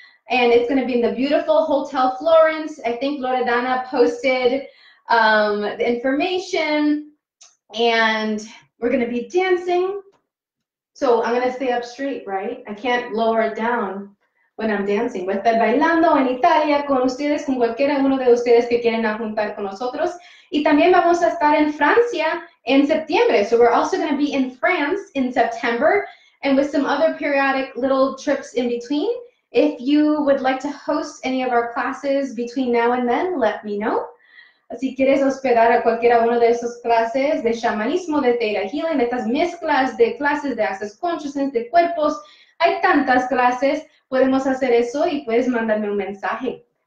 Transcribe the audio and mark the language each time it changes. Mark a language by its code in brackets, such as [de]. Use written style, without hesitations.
[en] And it's going to be in the beautiful Hotel Florence. I think Loredana posted the information. And we're going to be dancing. So I'm going to stay up straight, right? I can't lower it down when I'm dancing. [es] Voy a estar bailando en Italia con ustedes, con cualquiera uno de ustedes que quieren juntar con nosotros. Y también vamos a estar en Francia en septiembre. [en] So we're also going to be in France in September and with some other periodic little trips in between. If you would like to host any of our classes between now and then, let me know. [es] Si quieres hospedar a cualquiera uno de esas clases de chamanismo, de theta healing, de estas mezclas de clases de access consciousness, de cuerpos, hay tantas clases, podemos hacer eso y puedes mandarme un mensaje.